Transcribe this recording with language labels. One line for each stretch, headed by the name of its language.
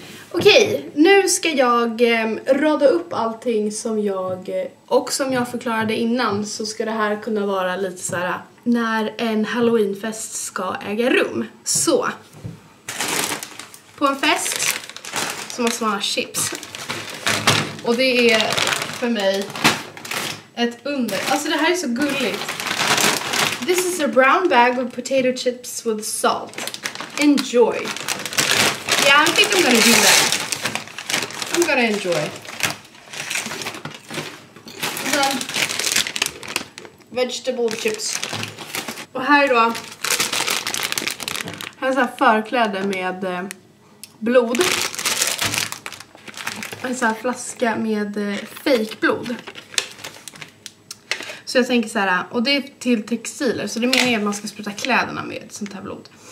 Swedish: Okej, nu ska jag rada upp allting som jag, och som jag förklarade innan, så ska det här kunna vara lite så här när en Halloweenfest ska äga rum. Så, på en fest så måste man ha chips. Och det är för mig ett under. Alltså det här är så gulligt.
English: This is a brown bag of potato chips with salt. Enjoy. Yeah, I think I'm gonna do that. I'm gonna enjoy. And then vegetable chips.
Swedish: Och här då. Här är så här förkläde med blod. En så här flaska med fake blod. Så jag tänker så här, och det är till textiler, så det menar jag att man ska spruta kläderna med sånt här blod.